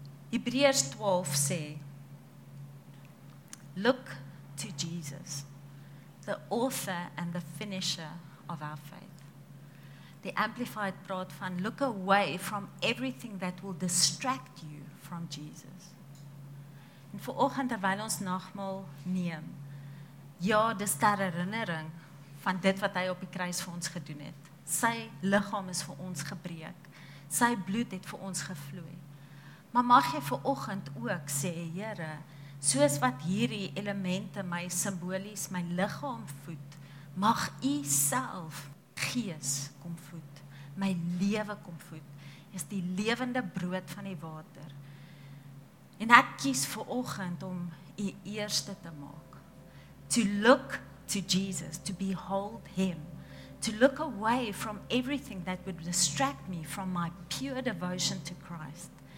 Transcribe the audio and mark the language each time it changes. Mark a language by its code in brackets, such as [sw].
[af] Hebreërs 12 sê, [en] look to Jesus, the author and the finisher of our faith. The Amplified [af] praat van, [en] look away from everything that will distract you from Jesus. [af] En vir oggend terwyl ons nagmaal neem, ja, dis ter herinnering van dit wat hy op die kruis vir ons gedoen het. Sy liggaam is vir ons gebreek. Sy bloed het vir ons gevloei. Maar mag jy vir oggend ook sê, Here, soos wat hierdie elemente my simbolies, my liggaam voed, mag u self gees kom voed, my lewe kom voed. Is die lewende brood van die water. En ek kies vir oggend om u eerste te maak. [en] To look to Jesus, to behold him. To look away from everything that would distract me from my pure devotion to Christ.